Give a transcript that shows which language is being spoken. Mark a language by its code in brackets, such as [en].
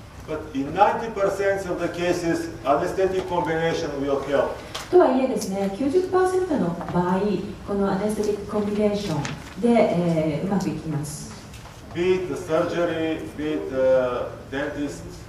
[en] But in 90% of the cases, anesthetic combination will help. [ja] とはいえですね、 90% の場合このアネステティックコンビネーションで、うまくいきます。 [en] Be it the surgery, be it the dentist